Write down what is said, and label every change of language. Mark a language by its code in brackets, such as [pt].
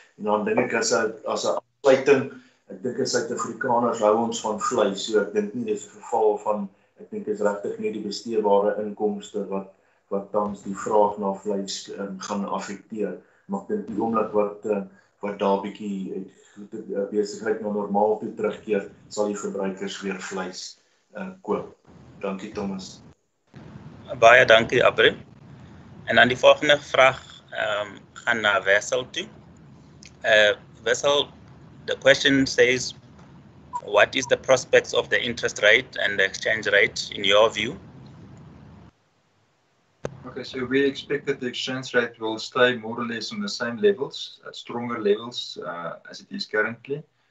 [af] En dan dink ek as 'n afsluiting, ek dink as Suid-Afrikaners hou ons van vleis, so ek dink nie dis 'n geval van, ek dink is regtig nie die besteedbare inkomste wat tans die vraag na vleis gaan affekteer. Maar ek dink die oomblik wat daar bietjie besigheid na normaal toe terugkeer, sal die verbruikers weer vleis koop. Dankie, Thomas. Baie dankie, Abri. En dan die volgende vraag gaan na Wessel toe. [en] Wessel, the question says, what is the prospects of the interest rate and the exchange rate in your view? Okay, so we expect that the exchange rate will stay more or less on the same levels, stronger levels as it is currently.